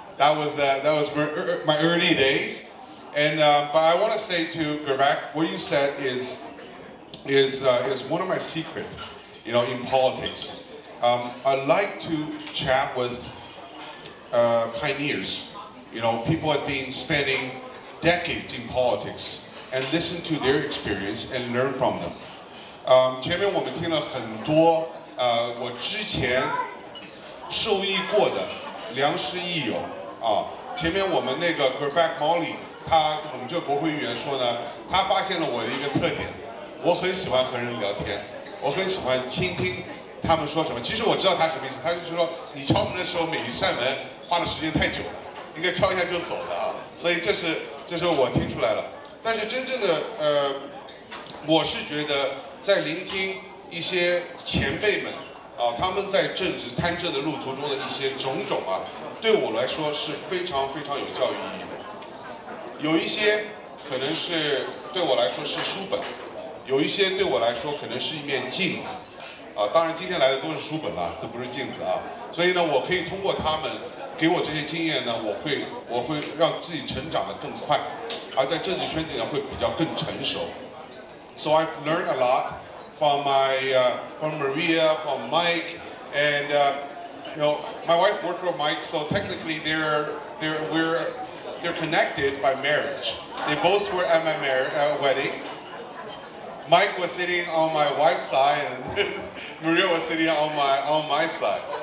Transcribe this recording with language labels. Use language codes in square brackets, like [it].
[en] That was my early days. But I want to say to Gervac, what you said is one of my secrets, you know, in politics. I like to chat with pioneers, you know, people have been spending decades in politics and listen to their experience and learn from them. [zh] 前面我们听了很多我之前受益过的良师益友啊，前面我们那个 Gerback Molly， 他我们这个国会议员说呢，他发现了我的一个特点，我很喜欢和人聊天，我很喜欢倾听他们说什么。其实我知道他什么意思，他就是说你敲门的时候每一扇门花的时间太久了，应该敲一下就走的啊。所以这是我听出来了。但是真正的我是觉得在聆听一些前辈们啊，他们在政治参政的路途中的一些种种啊，对我来说是非常非常有教育意义的。有一些可能是对我来说是书本，有一些对我来说可能是一面镜子啊。当然今天来的都是书本了，都不是镜子啊。所以呢，我可以通过他们给我这些经验呢，我会让自己成长得更快，而在政治圈子呢会比较更成熟。 [en] So I've learned a lot. From my, from Maria, from Mike, and you know, my wife worked with Mike, so technically they're connected by marriage. They both were at my wedding. Mike was sitting on my wife's side, and Maria was sitting on my side.